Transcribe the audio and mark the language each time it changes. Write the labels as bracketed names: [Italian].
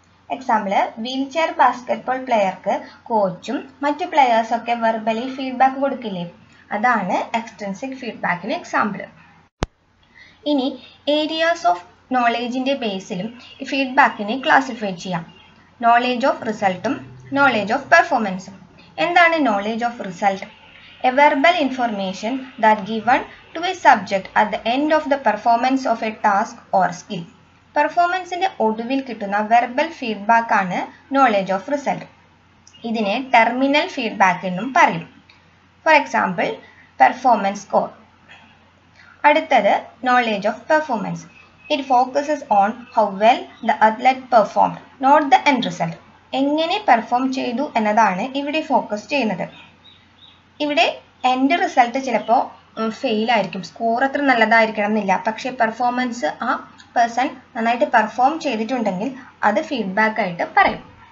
[Malayalam] Example, wheelchair basketball പ്ലെയർക്ക് കോച്ചും മറ്റ് പ്ലെയേഴ്സൊക്കെ verbally feedback കൊടുക്കില്ലേ? അതാണ് extrinsic ഫീഡ്ബാക്കിന് example. ഇനി ഏരിയാസ് ഓഫ് നോളേജിൻ്റെ ബേസിലും ഫീഡ്ബാക്കിനെ ക്ലാസിഫൈ ചെയ്യാം. നോളേജ് ഓഫ് റിസൾട്ടും നോളേജ് ഓഫ് പെർഫോമൻസും [English] എന്താണ് knowledge of result? A verbal information that given to a subject at the end of the performance of a task or skill. [Malayalam] Performance in the ഒടുവിൽ കിട്ടുന്ന verbal feedback ആണ് knowledge of result. ഇതിനെ terminal feedback എന്നും പറയും. [English] For example, performance score. അടുത്തത് knowledge of performance. It focuses on how well the athlete performed, not the end result. [Malayalam] എങ്ങനെ perform ചെയ്തു എന്നതാണ് ഇവിടെ focus ചെയ്യുന്നത്. ഇവിടെ എൻഡ് റിസൾട്ട് ചിലപ്പോൾ ഫെയിൽ ആയിരിക്കും, സ്കോർ അത്ര നല്ലതായിരിക്കണം എന്നില്ല. പക്ഷേ പെർഫോമൻസ് ആ പേഴ്സൺ നന്നായിട്ട് പെർഫോം ചെയ്തിട്ടുണ്ടെങ്കിൽ അത് ഫീഡ്ബാക്ക് ആയിട്ട് പറയും.